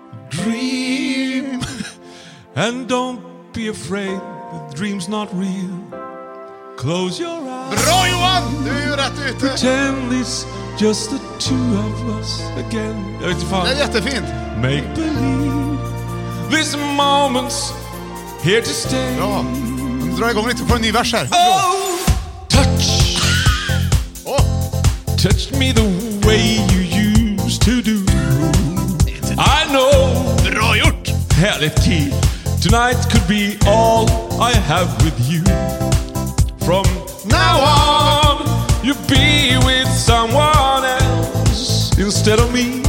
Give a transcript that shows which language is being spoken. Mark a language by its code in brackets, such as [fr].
[en] Dream and don't be afraid, the dream's not real. Close your eyes. [sv] Bra, Johan! Du är ju rätt ute. [en] Pretend it's just the two of us again. [sv] Jag vet inte fan. Det är jättefint. [en] Make believe this moment's here to stay. [sv] Bra. Nu drar jag igång lite på en ny vers här. [en] Touch. Touch me the way you used to do. I know. [sv] Bra gjort. Härligt key. [en] Tonight could be all I have with you. From now on you be with someone else instead of me.